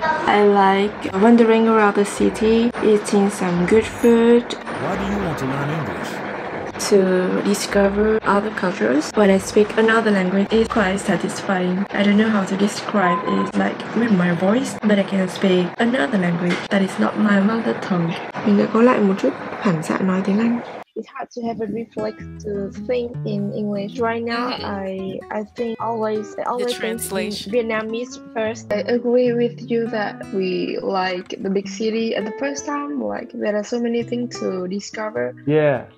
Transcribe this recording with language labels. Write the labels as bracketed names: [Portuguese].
[English] I like wandering around the city, eating some good food. Why do you want to learn English? To discover other cultures. When I speak another language, it's quite satisfying. I don't know how to describe it, like with my voice, but I can speak another language that is not my mother tongue. [Vietnamese] Mình đã có lại một chút phản xạ nói tiếng Anh. [English] It's hard to have a reflex to think in English. Right now, I think always think Vietnamese first. I agree with you that we like the big city at the first time. Like, there are so many things to discover. Yeah.